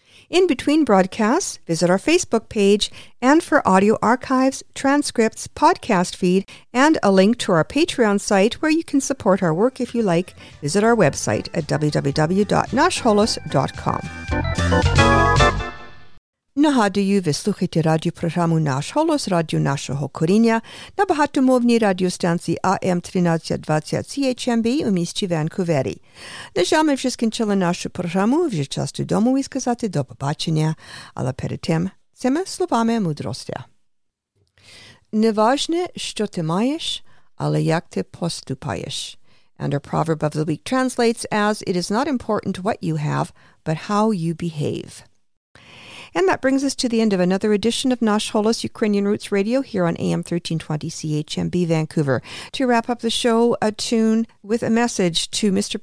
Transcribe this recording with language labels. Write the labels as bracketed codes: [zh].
[en] In between broadcasts, visit our Facebook page, and for audio archives, transcripts, podcast feed, and a link to our Patreon site where you can support our work if you like, visit our website at www.nashholos.com. [uk] Нагадую, ви слухаєте радіопрограму «Наш Голос», радіо нашого коріння на багатомовній радіостанції АМ 1320 CHMB у місті Ванкувері. На жаль, ми вже скінчили нашу програму, вже час додому і сказати до побачення. Але перед тим, цими словами мудрості. Не важне, що ти маєш, але як ти поступаєш. [en] And our proverb of the week translates as, it is not important what you have, but how you behave. And that brings us to the end of another edition of Nash Holos Ukrainian Roots Radio here on AM 1320 CHMB Vancouver. To wrap up the show, a tune with a message to Mr.